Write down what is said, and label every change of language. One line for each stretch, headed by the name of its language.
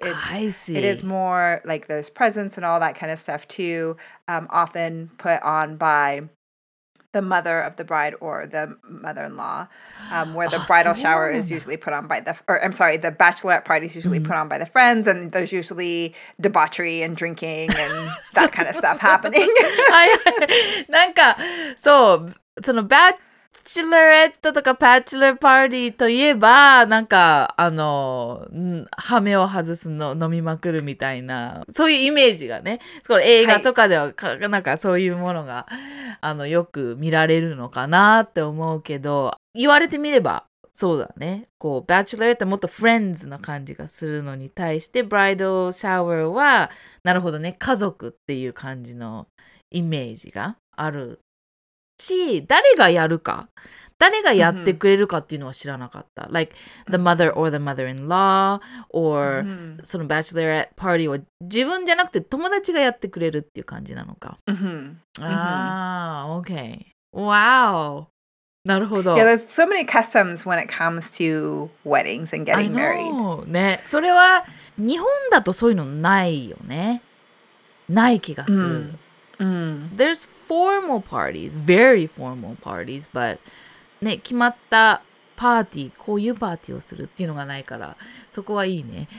English: It is more like there's presents and all that kind of stuff too, often put on by the mother of the bride or the mother-in-law, where the bridal shower is usually put on by the bachelorette party is usually put on by the friends, and there's usually debauchery and drinking and that kind of stuff happening.
Japanese: なんか、そう、そのバチュラレットとかバチュラパーティーといえば、なんか、あの、ハメを外すの、飲みまくるみたいな、そういうイメージがね、これ映画とかでは、はい、なんかそういうものが、あの、よく見られるのかなって思うけど、言われてみれば、そうだね。こう、バチュラレットもっとフレンズな感じがするのに対して、ブライドシャワーは、なるほどね、家族っていう感じのイメージがある。し誰がやるか誰がやってくれるかっていうのは知らなかった、mm-hmm.
English: like the mother or the mother-in-law or、mm-hmm.
Japanese: そのバチュラーパーティーは自分じゃなくて友達がやってくれるっていう感じなのか、 mm-hmm. ああ OK Wow なるほど
English: Yeah there's so many customs when it comes to weddings and getting married I know、
Japanese: ね、それは日本だとそういうのないよねない気がする、 mm-hmm. Mm.
English: There's formal parties, very formal parties, but
Japanese: ね、決まったパーティー、こういうパーティーをするっていうのがないから、そこはいいね。